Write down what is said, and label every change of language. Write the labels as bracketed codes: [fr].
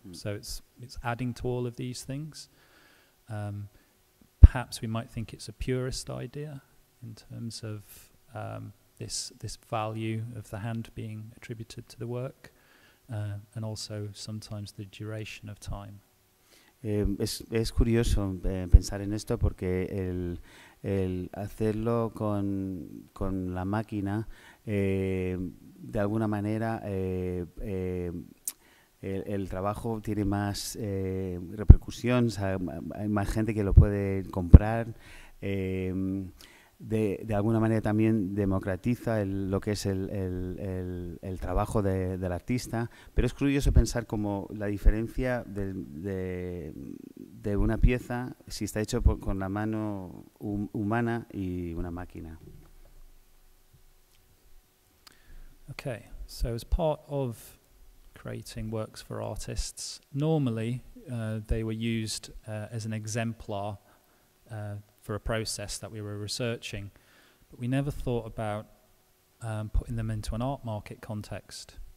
[en] So it's adding to all of these things. Perhaps we might think it's a purist idea in terms of this value of the hand being attributed to the work, and also sometimes the duration of time. [es] Es curioso pensar en esto porque el hacerlo con la máquina, de alguna manera el trabajo tiene más repercusión, o sea, hay más gente que lo puede comprar. De alguna manera también democratiza lo que es el trabajo del artista, pero es curioso pensar como la diferencia de una pieza si está hecho con la mano humana y una máquina. [en] Okay, so as part of creating works for artists, normally they were used as an exemplar for a process that we were researching, but we never thought about putting them into an art market context.